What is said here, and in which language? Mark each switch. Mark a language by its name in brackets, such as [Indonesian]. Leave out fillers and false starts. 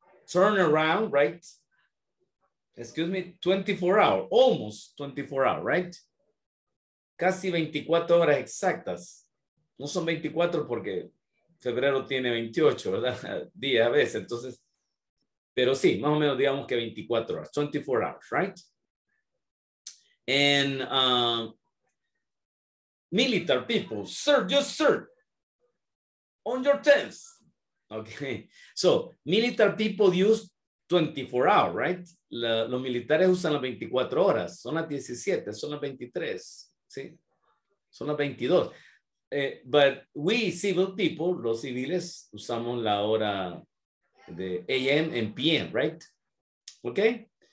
[English] turn around, right? Excuse me, 24 hours, almost 24 hours, right? [Spanish] Casi 24 horas exactas. No son 24 porque febrero tiene 28, ¿verdad? Días a veces, entonces. Pero sí, más o menos digamos que 24 horas, [English] 24 hours, right? And military people, sir, just sir, on your tens. Okay, so military people use 24 hours, right? [Spanish] Los militares usan las 24 horas, son las 17, son las 23, ¿sí? Son las 22. [English] But we civil people, [Spanish] los civiles, usamos la hora de [English] AM and PM, right? Okay?